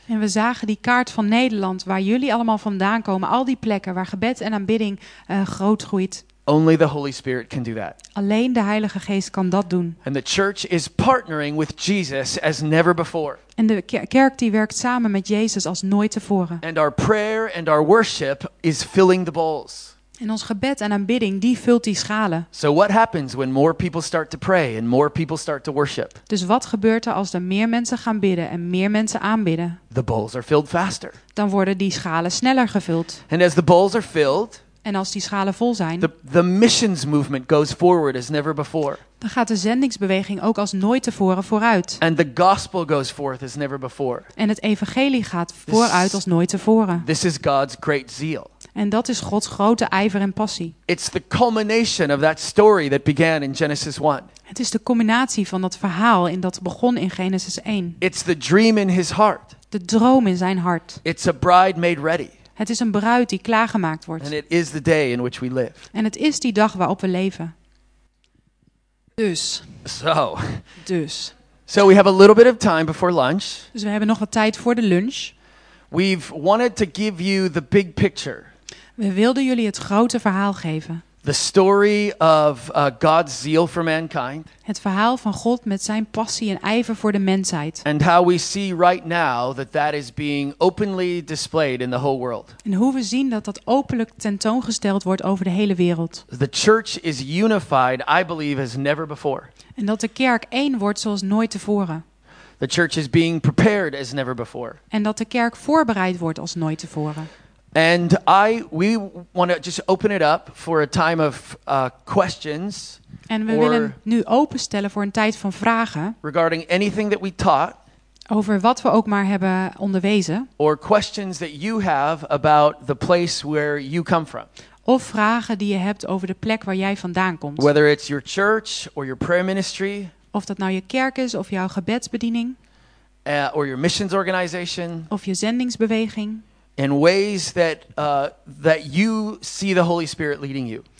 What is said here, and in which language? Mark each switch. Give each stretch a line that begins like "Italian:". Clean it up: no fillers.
Dutch: En we zagen die kaart van Nederland waar jullie allemaal vandaan komen, al die plekken waar gebed en aanbidding groot groeit.
English: Only the Holy Spirit can do that.
Dutch: Alleen de Heilige Geest kan dat doen.
English: And the church is partnering with Jesus as never before.
Dutch: En de kerk die werkt samen met Jezus als nooit tevoren.
English: And our prayer and our worship is filling the bowls.
Dutch: En ons gebed en aanbidding, die vult die schalen.
English: So what happens when more people start to pray and more people start to worship?
Dutch: Dus wat gebeurt er als er meer mensen gaan bidden en meer mensen aanbidden?
English: The bowls are filled faster.
Dutch: Dan worden die schalen sneller gevuld.
English: And as the bowls are filled,
Dutch: en als die schalen vol zijn,
English: the missions movement goes forward as never before.
Dutch: Dan gaat de zendingsbeweging ook als nooit tevoren vooruit.
English: And the gospel goes forth as never before.
Dutch: En het evangelie gaat vooruit als nooit tevoren.
English: This is God's great zeal.
Dutch: En dat is Gods grote ijver en passie.
English: It's the culmination of that story that began in Genesis 1.
Dutch: Het is de combinatie van dat verhaal in dat begon in Genesis 1.
English: It's the dream in his heart.
Dutch: De droom in zijn hart.
English: It's a bride made ready.
Dutch: Het is een bruid die klaargemaakt wordt.
English: And it is the day in which we live.
Dutch: En het is die dag waarop we leven. Dus.
English: So.
Dutch: Dus.
English: So we have a little bit of time before lunch.
Dutch: Dus we hebben nog wat tijd voor de lunch.
English: We've wanted to give you the big picture.
Dutch: We wilden jullie het grote verhaal geven.
English: The story of God's zeal for mankind.
Dutch: Het verhaal van God met zijn passie en ijver voor de mensheid.
English: And how we see right now that that is being openly displayed in the whole world.
Dutch: En hoe we zien dat dat openlijk tentoongesteld wordt over de hele wereld.
English: The church is unified, I believe, as never before.
Dutch: En dat de kerk één wordt zoals nooit tevoren.
English: The church is being prepared as never before.
Dutch: En dat de kerk voorbereid wordt als nooit tevoren.
English: And we want to just open it up for a time of questions.
Dutch: En we willen nu openstellen voor een tijd van vragen.
English: Regarding anything that we taught.
Dutch: Over wat we ook maar hebben onderwezen.
English: Or questions that you have about the place where you come from.
Dutch: Of vragen die je hebt over de plek waar jij vandaan komt.
English: Whether it's your church or your prayer ministry.
Dutch: Of dat nou je kerk is of jouw gebedsbediening.
English: Or your missions organization.
Dutch: Of je zendingsbeweging.
English: In ways that that you see the Holy Spirit leading you.